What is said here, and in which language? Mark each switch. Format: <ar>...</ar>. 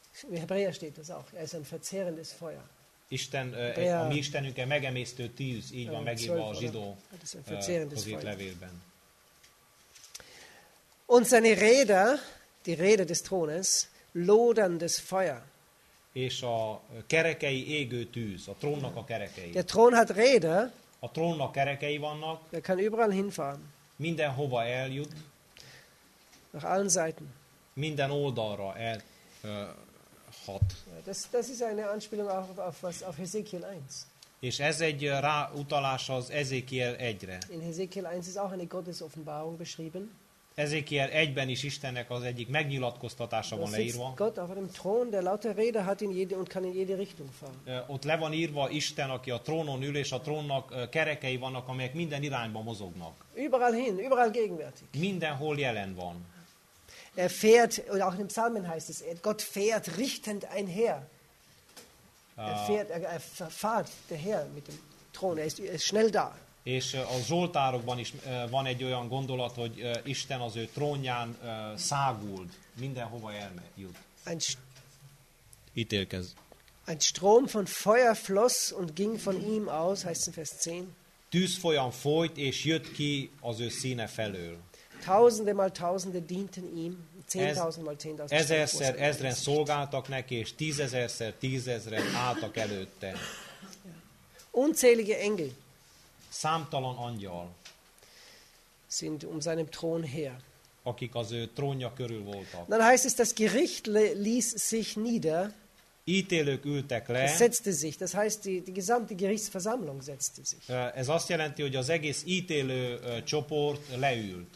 <de>In Hebräer steht das auch. Er ist ein verzehrendes Feuer.</de> <hu>Isten, Hebräer, a mi Istenünk egy megemésztő tűz, így van megírva a zsidó középlevélben.</hu> <de>Und seine Räder, die Räder des Thrones, loderndes Feuer.</de> <hu>És a kerekei égő tűz, a trónnak a kerekei.</hu> <de>Der Thron hat Räder.</de> <hu>A trónnak kerekei vannak.</hu> <de>Er kann überall hinfahren.</de> <hu>Mindenhova eljut.</hu> <de>Nach allen Seiten.</de> <hu>Minden oldalra el hat.</hu> <de>Das ist eine Anspielung auf Hezekiel 1.</de> <hu>És ez egy ráutalás az Ezekiel 1-re.</hu> <de>In Hezekiel 1 ist auch eine Gottesoffenbarung beschrieben.</de> <hu>Ezekiel 1-ben is Istennek az egyik megnyilatkoztatása van leírva.</hu> <de>Gott auf einem Thron, der lauter Räder hat in jede und kann in jede Richtung fahren.</de> <hu>Ott le van írva Isten, aki a trónon ül, és a trónnak kerekei vannak, amelyek minden irányba mozognak.</hu> <de>Überall hin, überall gegenwärtig.</de> <hu>Mindenhol jelen van.</hu> <de>Er fährt, oder auch in den Psalmen heißt es, Gott fährt richtend einher. Fährt der Herr mit dem Thron, er ist schnell da.</de> <hu>És a Zsoltárokban is van egy olyan gondolat, hogy Isten az ő trónján száguld, mindenhova elmegy, jut. Ítélkez.</hu> <de>Ein Strom von Feuer floss und ging von ihm aus, heißt in Vers 10.</de> <hu>Tűzfolyam folyt, és jött ki az ő színe felől.</hu> <de>Tausende mal tausende dienten ihm, 10.000 mal 10.000.</de> <hu>Ezerszer ezren szolgáltak neki, és tízezerszer tízezren álltak előtte.</hu> <de>Unzählige Engel.</de> <hu>Számtalan angyal.</hu> <de>Sind um seinem Thron her.</de> <hu>Akik az ő trónja körül voltak.</hu> <de>Dann heißt es, das Gericht ließ sich nieder.</de> <hu>Ítélők ültek le.</hu> <de>Setzte sich, das heißt die gesamte Gerichtsversammlung setzte sich.</de> <hu>Ez azt jelenti, hogy az egész ítélő csoport leült.</hu>